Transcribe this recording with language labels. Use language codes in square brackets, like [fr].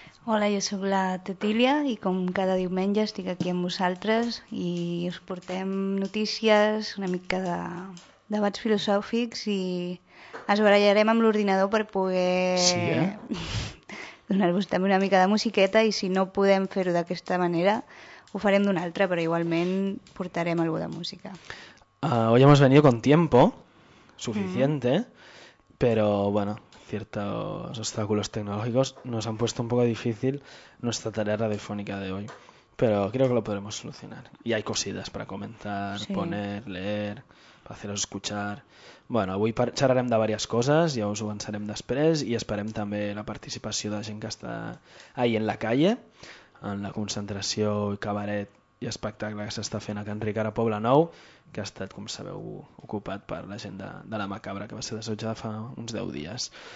[ca] Hola, jo sóc la Tetília i com cada diumenge estic aquí amb vosaltres i us portem notícies, una mica de debats filosòfics i es barallarem amb l'ordinador per poder... donar-vos també una mica de musiqueta i si no podem fer-ho d'aquesta manera... Ho farem d'una altra, però igualment portarem algú de música. [es] Hoy hemos venido con tiempo suficiente, pero bueno, ciertos obstáculos tecnológicos nos han puesto un poco difícil nuestra tarea radiofónica de hoy. Pero creo que lo podremos solucionar. Y hay cosidas para comentar, poner, leer, para haceros escuchar. [ca] Bueno, avui xerrarem de diverses coses, ja us ho avançarem després i esperem també la participació de gent que està [es] ahí en la calle. [ca] En la concentració i cabaret i espectacle que s'està fent a Can Ricard a Poblenou, que ha estat, com sabeu, ocupat per la gent de la Macabra, que va ser desallotjada fa uns 10 dies.